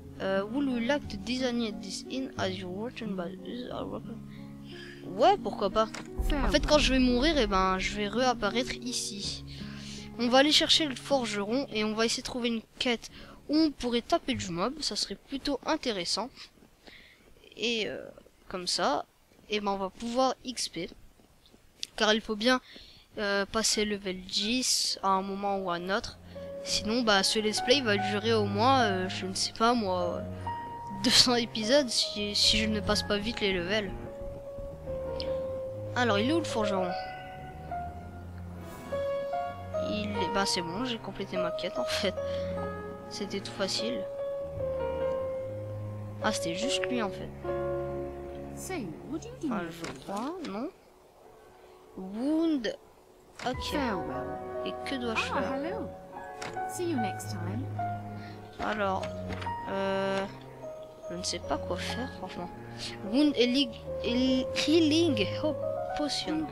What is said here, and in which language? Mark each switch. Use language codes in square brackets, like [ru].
[en] Would you like to design this inn as your working base? [fr] Ouais, pourquoi pas. En fait, quand je vais mourir, eh ben, je vais réapparaître ici. On va aller chercher le forgeron et on va essayer de trouver une quête où on pourrait taper du mob. Ça serait plutôt intéressant. Et comme ça, eh ben, on va pouvoir XP. Car il faut bien passer level 10 à un moment ou à un autre. Sinon, bah, ce let's play va durer au moins, je ne sais pas moi, 200 épisodes si je ne passe pas vite les levels. Alors, il est où le forgeron? Il est... Bah, c'est bon, j'ai complété ma quête en fait. C'était tout facile. Ah, c'était juste lui en fait. Enfin, je crois, non? Wound. Ok. Et que dois-je faire? [en] See you next time. [fr] Alors, je ne sais pas quoi faire, franchement. [en] Wound healing hope potion.